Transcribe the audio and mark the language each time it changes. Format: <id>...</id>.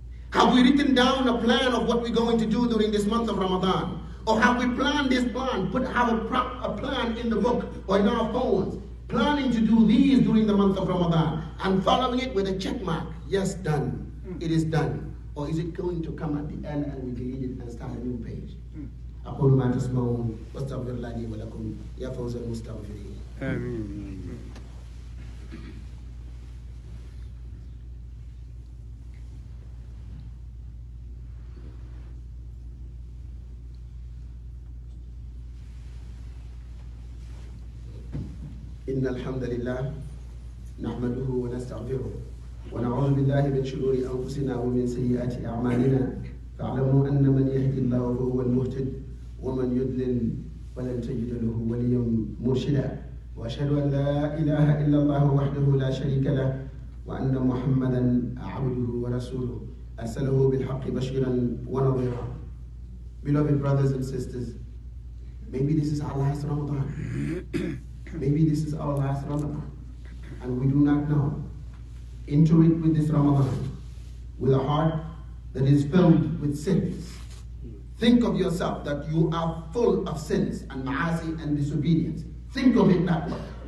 <en>Have we written down a plan of what we're going to do during this month of Ramadan? Or have we planned this plan? Have a plan in the book or in our phones. Planning to do these during the month of Ramadan and following it with a check mark. Yes, done. It is done. Or is it going to come at the end and we delete it and start a new page?</en> <ar>أقول ما تسمعون واستغفر الله لي ولكم يا فوز المستغفرين. آمين. إن الحمد لله نحمده ونستغفره ونعوذ بالله من شرور أنفسنا ومن سيئات أعمالنا فاعلموا ان من يهدي الله فهو المهتد ومن يضلل فلن تجد له وليا مرشدا واشهد ان لا اله الا الله وحده لا شريك له وان محمدا عبده ورسوله ارسله بالحق بشيرا ونظيرا.</ar> <en>Beloved brothers and sisters, maybe this is our last Ramadan. Maybe this is our last Ramadan. And we do not know. Enter it with this Ramadan, with a heart that is filled with sins. Think of yourself that you are full of sins and ma'asi and disobedience. Think of it that way.</en>